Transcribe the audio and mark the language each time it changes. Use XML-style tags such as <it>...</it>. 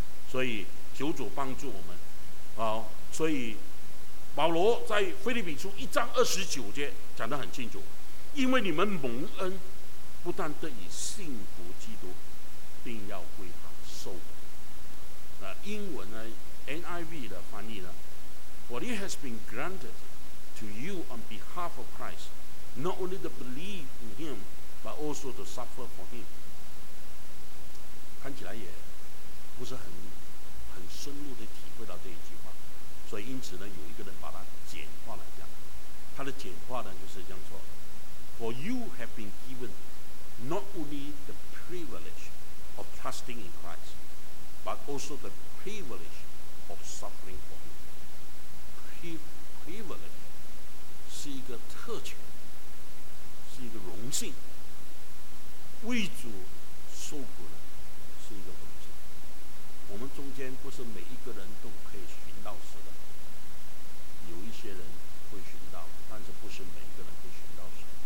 <zh>所以求主帮助我们啊，所以保罗在腓立比书一章二十九节讲得很清楚，因为你们蒙恩，不但得以信服基督，并要为他受苦。那英文呢 ？NIV 的翻译呢 ？</zh> <en>What it has been granted to you on behalf of Christ, not only to believe in Him, but also to suffer for Him。</en> <zh>看起来也不是很深入地体会到这一句话。所以因此呢，有一个人把它简化了这样，他的简化呢就是这样说</zh> <en>For you have been given not only the privilege of trusting in Christ but also the privilege of suffering for him。</en> <zh>Privilege 是一个特权，是一个荣幸，为主受苦的是一个荣幸。我们中间不是每一个人都可以寻到死的，有一些人会寻到，但是不是每一个人会寻到神。</zh>